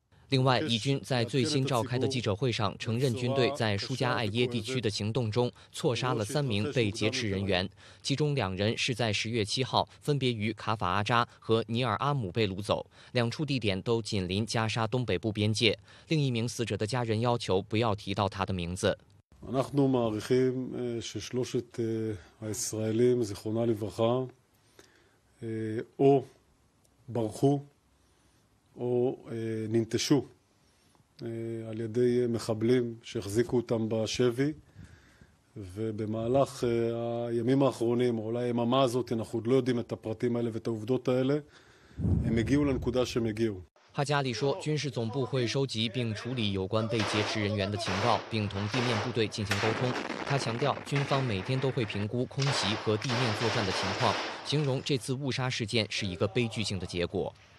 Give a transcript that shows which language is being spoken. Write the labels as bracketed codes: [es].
[zh] 另外，以军在最新召开的记者会上承认，军队在舒加艾耶地区的行动中错杀了3名被劫持人员，其中2人是在10月7号分别于卡法阿扎和尼尔阿姆被掳走，两处地点都紧邻加沙东北部边界。另一名死者的家人要求不要提到他的名字。 [he] אנחנו מעריכים ששלושת הישראלים זכרונה לברכה או ברחו או ננטשו על ידי מחבלים שהחזיקו אותם בשבי ובמהלך הימים האחרונים או אולי היממה הזאת אנחנו עוד לא יודעים את הפרטים האלה ואת העובדות האלה הם הגיעו לנקודה שהם הגיעו [zh] 他家里说，军事总部会收集并处理有关被劫持人员的情报，并同地面部队进行沟通。他强调，军方每天都会评估空袭和地面作战的情况，形容这次误杀事件是一个悲剧性的结果。